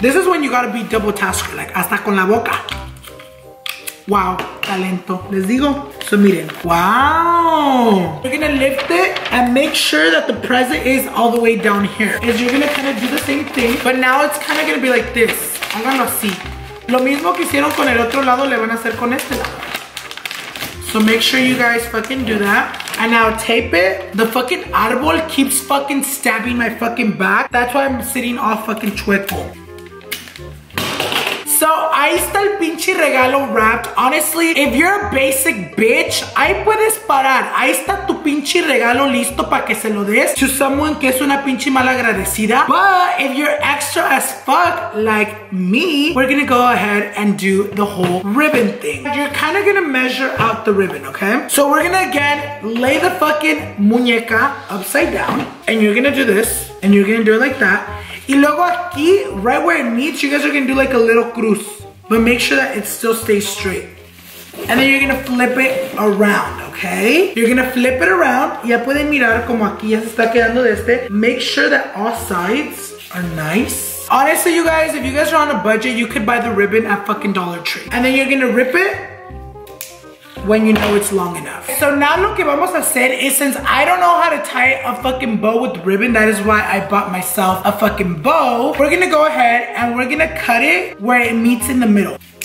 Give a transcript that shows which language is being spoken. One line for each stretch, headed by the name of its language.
English: This is when you gotta be double tasker, like
Spanish: hasta con la boca. Wow, talento, les digo.
English: So miren, wow. You're gonna lift it and make sure that the present is all the way down here. And you're gonna kind of do the same thing, but now it's kind of gonna be like this.
Spanish: Háganlo así. Lo mismo que hicieron con el otro lado, le van a hacer con este lado.
English: So make sure you guys fucking do that. And now tape it. The fucking árbol keeps fucking stabbing my fucking back. That's why I'm sitting all fucking chueco. So,
Spanish: ahí está el pinche regalo
English: wrapped. Honestly, if you're a basic bitch,
Spanish: ahí puedes parar. Ahí está tu pinche regalo listo para que se lo des
English: to someone
Spanish: que es una pinche malagradecida.
English: But if you're extra as fuck, like me, we're gonna go ahead and do the whole ribbon thing. You're kind of gonna measure out the ribbon, okay? So, we're gonna again lay the fucking muñeca upside down. And you're gonna do this. And you're gonna do it like that.
Spanish: Y luego aquí,
English: right where it meets, you guys are gonna do like a little cruz. But make sure that it still stays straight. And then you're gonna flip it around, okay? You're gonna flip it around.
Spanish: Ya pueden mirar como aquí ya se está quedando de este.
English: Make sure that all sides are nice. Honestly, you guys, if you guys are on a budget, you could buy the ribbon at fucking Dollar Tree. And then you're gonna rip it when you know it's long enough. So now
Spanish: lo que vamos a hacer
English: is, since I don't know how to tie a fucking bow with ribbon, that is why I bought myself a fucking bow, we're gonna go ahead and we're gonna cut it where it meets in the middle.